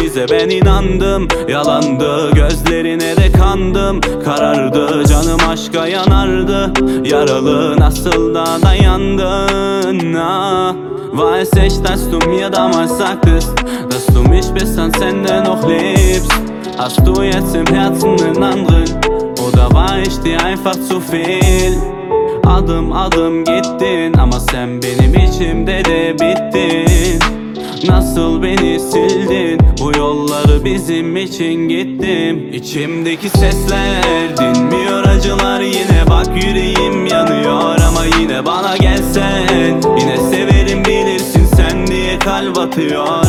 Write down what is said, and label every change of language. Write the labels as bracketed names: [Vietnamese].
[Turkish] Ben inandım, yalandı. Gözlerine de kandım, karardı. Canım aşka yanardı, yaralı. Nasıl da dayandın? [German] Weil es echt, dass du mir damals sagtest, dass du mich bis ans Ende noch liebst. Hast du jetzt im Herzen einen anderen? Oder war ich dir einfach zu viel? [Turkish] Adım adım gittin ama sen benim içimde de bittin. Nasıl beni sildin? Bu yolları bizim için gittim. İçimdeki sesler dinmiyor, acılar yine. Bak yüreğim yanıyor ama yine bana gelsen, yine severim bilirsin sen diye kalp atıyor.